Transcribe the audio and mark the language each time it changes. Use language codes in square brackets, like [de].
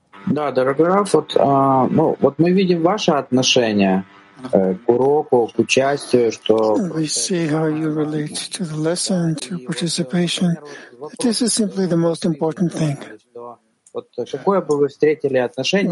[ru] Да, дорогой Раф, вот, ну, вот мы видим ваше отношение к уроку, к участию, что... [en] We see how you relate to the lesson, to participation. This is simply the most important thing. [ru] Вот какое бы вы встретили отношение...